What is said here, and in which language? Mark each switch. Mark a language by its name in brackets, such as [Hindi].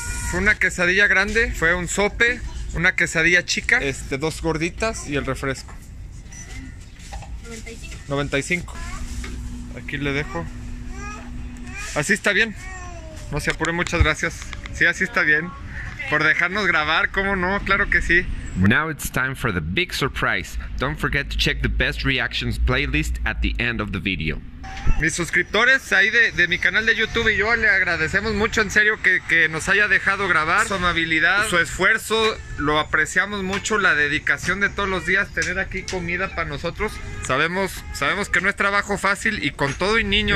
[Spanish] Fue una quesadilla grande, fue un sope, una quesadilla chica, dos gorditas y el refresco. 95. Aquí le dejo. Así está bien. No se apure, muchas gracias. Sí, así está bien. Por dejarnos grabar, ¿cómo no? Claro que sí. [English] Now it's time for the big surprise. Don't forget to check the best reactions playlist at the end of the video. [Spanish] Mis suscriptores ahí de mi canal de YouTube y yo le agradecemos mucho, en serio, que nos haya dejado grabar. Su amabilidad, su esfuerzo, lo apreciamos mucho, la dedicación de todos los días, tener aquí comida para nosotros. Sabemos que no es trabajo fácil y con todo y niños.